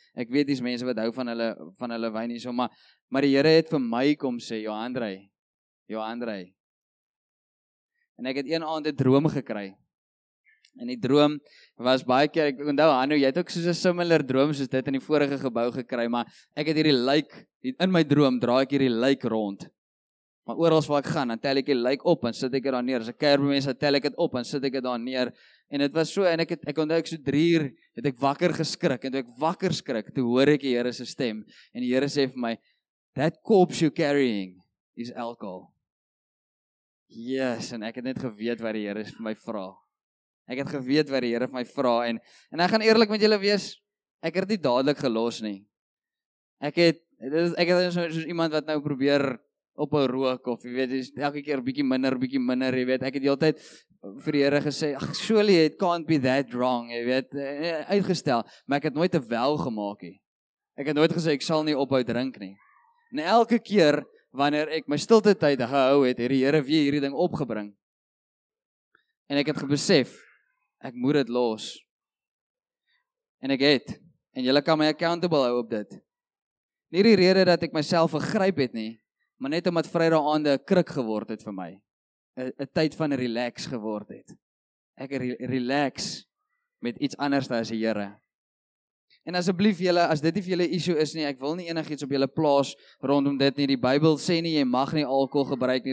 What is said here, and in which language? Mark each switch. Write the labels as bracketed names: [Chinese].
[Afrikaans] Ek weet dis mense wat hou van hulle wyn hierso, maar die Here het vir my kom sê, Johandre. En ek het een aand 'n droom gekry. En die droom was baie keer, ek onthou Hanno, jy het ook soos 'n similar droom soos dit in die vorige gebou gekry, maar ek het hierdie lijk, in my droom draai ek hierdie lijk rond. Maar oral waar ek gaan, dan tel ek die lijk op en sit ek dit daar neer. As ek kuier by mense, tel ek dit op en sit ek dit daar neer. En dit was so en ek onthou so 3 uur het ek wakker geskrik en toe ek wakker skrik, toe hoor ek die Here se stem en die Here sê vir my, [English] "That corpse you carrying is alcohol." [Afrikaans] Yes, en ek het net geweet wat die Here vir my vra. Ek het geweet wat die Here vir my vra en ek gaan eerlik met julle wees, ek het nie dadelik gelos nie. Ek het so iemand wat nou probeer op 'n rook of jy weet jy elke keer bietjie minder jy weet ek het die hele tyd vir die Here gesê ag [English] surely it can't be that wrong [Afrikaans] jy weet uitgestel maar ek het nooit 'n wel gemaak nie. Ek het nooit gesê ek sal nie ophou drink nie. En elke keer wanneer ek my stilte tyd gehou het die Here weer hierdie ding opgebring. En ek het gebesef ek moet dit los. En ek het en julle kan my accountable hou op dit. Nie die rede dat ek myself vergryp het nie. Maar net omdat Vrydag aande 'n kruk geword het vir my. 'n tyd van relax geword het. Ek relax met iets anders as die Here. En asseblief julle, as dit nie vir julle issue is nie, ek wil nie enigiets op julle plaas rondom dit nie. Die Bybel sê nie jy mag nie alkohol gebruik nie.